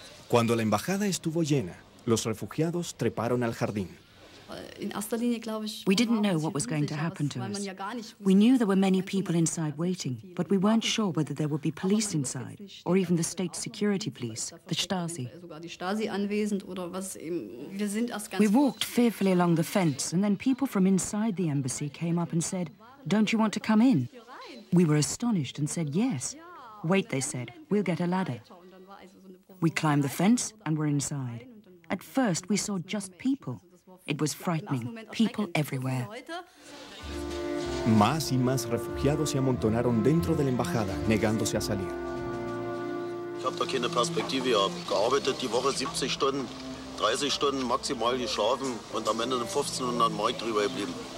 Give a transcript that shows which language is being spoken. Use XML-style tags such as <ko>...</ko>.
<es>Cuando la embajada estuvo llena, los refugiados treparon al jardín.</es> <en>We didn't know what was going to happen to us. We knew there were many people inside waiting, but we weren't sure whether there would be police inside, or even the state security police, the Stasi. We walked fearfully along the fence, and then people from inside the embassy came up and said, "Don't you want to come in?" We were astonished and said, "Yes." "Wait," they said, "we'll get a ladder." We climbed the fence and were inside. At first, we saw just people. It was frightening. People everywhere.</en> <es>Más y más refugiados se amontonaron dentro de la embajada, negándose a salir.</es> <de>Ich habe da keine Perspektive. Ich habe gearbeitet die Woche 70 Stunden, 30 Stunden maximal geschlafen und am Ende 1500 Mark drüber geblieben.</de>